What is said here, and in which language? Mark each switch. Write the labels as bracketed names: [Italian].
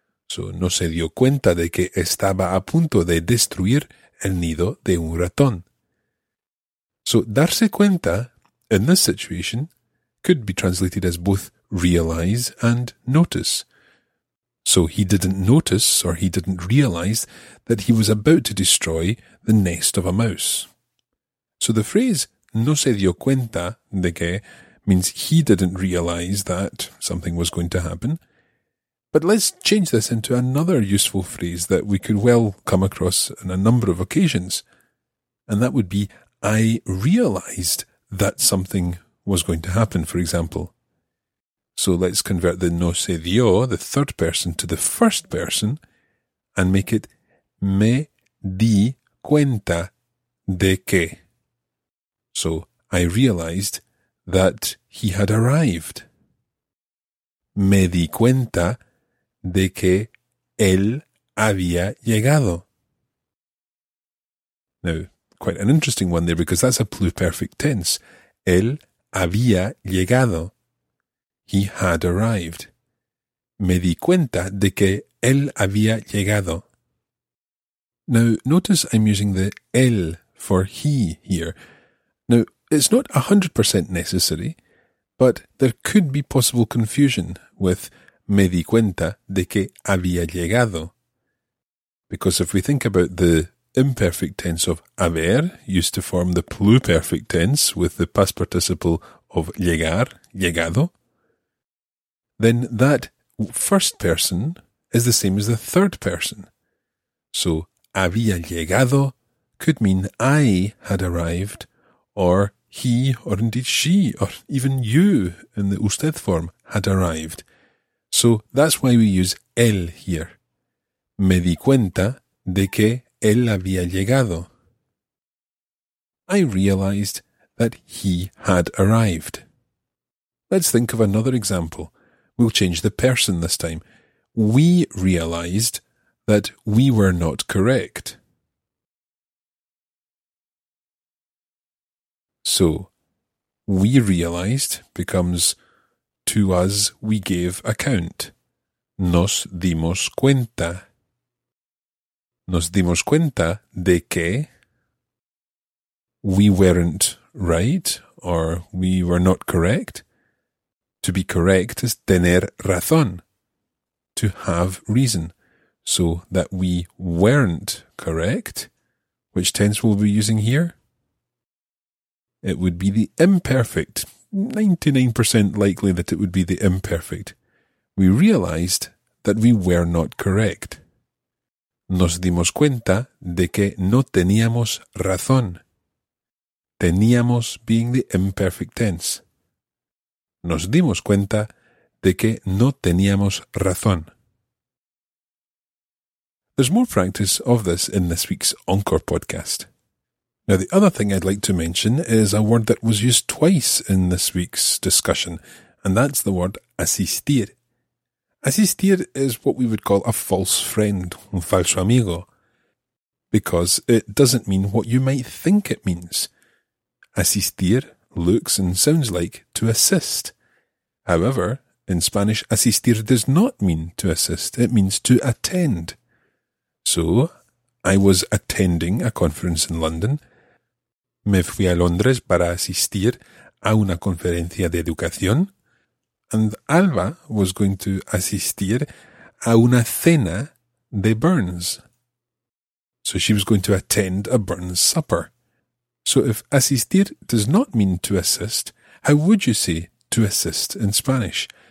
[Spanish] So, no se dio cuenta de que estaba a punto de destruir el nido de un ratón. [English] So, darse cuenta, in this situation, could be translated as both realize and notice. So, he didn't notice or he didn't realize that he was about to destroy the nest of a mouse. So, the phrase [Spanish] no se dio cuenta de que [English] means he didn't realize that something was going to happen. But let's change this into another useful phrase that we could well come across on a number of occasions. And that would be, I realized that something was going to happen, for example. So let's convert the [Spanish] no se dio, [English] the third person, to the first person and make it [Spanish] me di cuenta de que. [English] also I realized that he had arrived. [Spanish] Me di cuenta de que él había llegado. [English] Now, quite an interesting one there, because that's a pluperfect tense. [Spanish] Él había llegado. [English] He had arrived. [Spanish] Me di cuenta de que él había llegado. [English] Now, notice I'm using the él for he here. Now, it's not 100% necessary, but there could be possible confusion with [Spanish] me di cuenta de que había llegado. [English] Because if we think about the imperfect tense of haber, used to form the pluperfect tense with the past participle of llegar, llegado, then that first person is the same as the third person. So, [Spanish] había llegado [English] could mean I had arrived, or he, or indeed she, or even you, in the usted form, had arrived. So that's why we use él here. [Spanish] Me di cuenta de que él había llegado. [English] I realized that he had arrived. Let's think of another example. We'll change the person this time. We realized that we were not correct. So, we realized becomes to us we gave account. [Spanish] Nos dimos cuenta. Nos dimos cuenta de que [English] we weren't right or we were not correct. To be correct is tener razón, to have reason. So that we weren't correct, which tense will we be using here? It would be the imperfect, 99% likely that it would be the imperfect. We realized that we were not correct. [Spanish] Nos dimos cuenta de que no teníamos razón. Teníamos being the imperfect tense. Nos dimos cuenta de que no teníamos razón. [English] There's more practice of this in this week's Encore podcast. Now, the other thing I'd like to mention is a word that was used twice in this week's discussion, and that's the word asistir. Asistir is what we would call a false friend, [Spanish] un falso amigo, [English] because it doesn't mean what you might think it means. Asistir looks and sounds like to assist. However, in Spanish, asistir does not mean to assist. It means to attend. So, I was attending a conference in London. [Spanish] Me fui a Londres para asistir a una conferencia de educación. [English] And Alba was going to [Spanish] asistir a una cena de Burns. [English] So she was going to attend a Burns supper. So if asistir does not mean to assist, how would you say to assist in Spanish?